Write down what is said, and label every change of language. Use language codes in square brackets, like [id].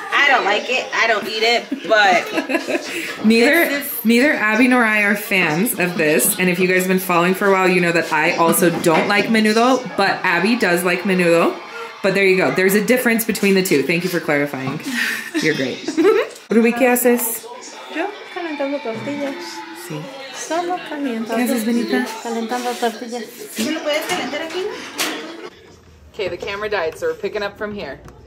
[en] I don't like it. I don't eat it, but neither Abby nor I are fans of this. And if you guys have been following for a while, you know that I also don't like menudo, but Abby does like menudo. But there you go. There's a difference between the two. Thank you for clarifying. You're great. What do we [es] qué haces? Yo calentando tortillas. Sí. Solo calentando tortillas. Calentando tortillas. ¿Me lo puedes calentar aquí? [en] Okay, the camera died, so we're picking up from here.